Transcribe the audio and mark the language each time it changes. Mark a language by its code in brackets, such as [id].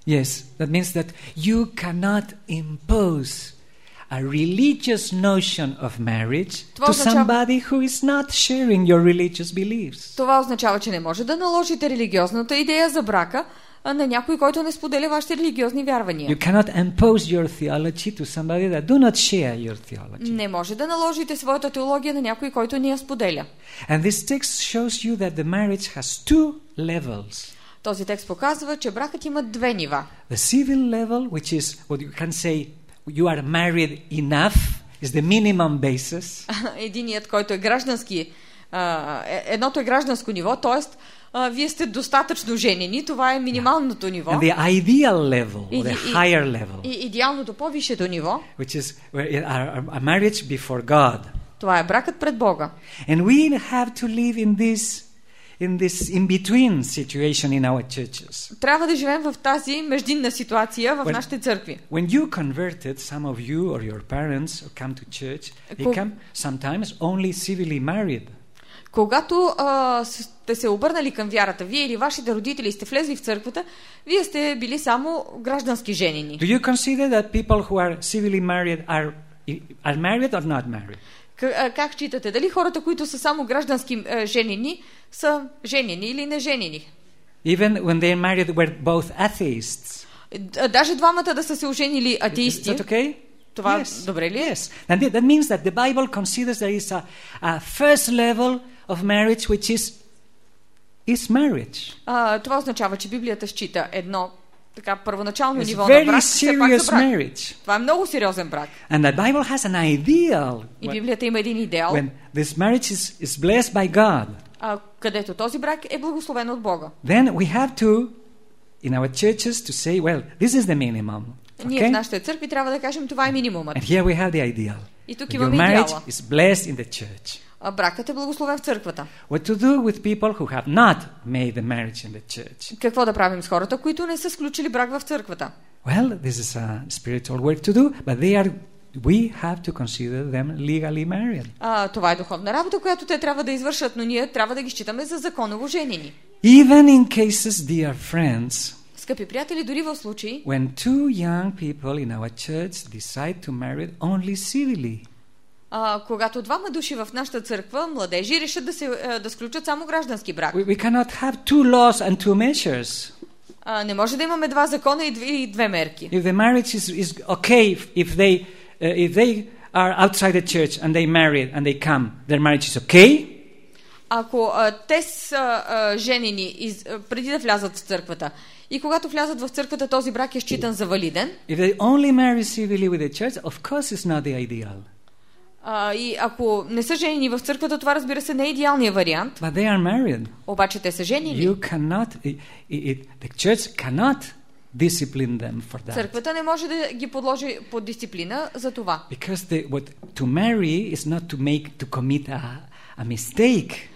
[en] Yes, that means that you cannot impose a religious notion of marriage to somebody who is not sharing your religious beliefs. [bg] Това означава, че не може да наложите религиозната идея за брака на някой, който не споделя вашите религиозни вярвания. [en] You cannot impose your theology to somebody that do not share your theology. [bg] Не може да наложите своята теология на някой, който не я споделя. [en] And this text shows you that the marriage has two levels. [bg] Този текст показва, че бракът има две нива. [en] The civil level, which is what you can say you are married enough, is the minimum basis. [bg] Единият, който е граждански, едното е гражданско ниво, т.е. вие сте достатъчно женени, това е минималното ниво. [en] And the ideal level, or the higher level. [bg] И идеалното, по-висшето ниво. [en] Which is a marriage before God. [bg] Това е бракът пред Бога. [en] And we have to live in this in-between situation in our churches. [bg] Трябва да живеем в тази междинна ситуация в нашите църкви. [en] When you converted, some of you or your parents come to church, they come sometimes only civilly married. [bg] Когато сте се обърнали към вярата, вие или вашите родители сте влезли в църквата, вие сте били само граждански женени. [en] Do you consider that people who are civilly married are married or not married? [bg] Как считате? Дали хората, които са само граждански женени, са женени или не женени? [en] Even when they married were both atheists. [bg] даже двамата да са се оженили атеисти. [en] Is that okay? [bg] Това yes. Добре ли? [en] Yes. And that means that the Bible considers there is a first level of marriage which is marriage. [bg] Това означава, че Библията счита едно така първоначално [en] it's [bg] ниво [en] very [bg] на брак, [en] serious [bg] брак. [en] Marriage. [bg] Това е много сериозен брак. [en] And the Bible has an ideal. [bg] И Библията има един идеал. [en] When this marriage is blessed by God. [bg] Където този брак е благословен от Бога. [en] Then we have to in our churches to say, well, this is the minimum. [bg] Ние в нашите църкви трябва да кажем, това е минимумът. [en] And here we have the ideal. [bg] И тук имаме идеала. [en] Your marriage is blessed in the church. [bg] Бракът е благословен в църквата. [en] What to do with people who have not made the marriage in the church? [bg] Какво да правим с хората, които не са сключили брак в църквата? [en] Well, this is a spiritual work to do, but we have to consider them legally married. [bg] Това е духовна работа, която те трябва да извършат, но ние трябва да ги считаме за законово женени. [en] Even in cases, dear friends, [bg] скъпи приятели, дори в случай, [en] when two young people in our church decide to marry only civilly. [bg] Когато двама души в нашата църква, младежи, решат да се да сключат само граждански брак. [en] We cannot have two laws and two measures. [bg] Не може да имаме два закона и две мерки. [en] If the marriage is okay if they are outside the church and they marry and they come, their marriage is okay. [bg] Ако те са женени преди да влязат в църквата и когато влязат в църквата, този брак е считан за валиден. [en] If they only marry civilly with the church, of course it's not the ideal. [bg] И ако не са женени в църквата, това, разбира се, не е идеалният вариант. [en] But they are married. [bg] Обаче те са женени. [en] You cannot, the church cannot discipline them for that. [bg] Църквата не може да ги подложи под дисциплина за това. [en] Because to marry is not to make to commit a mistake.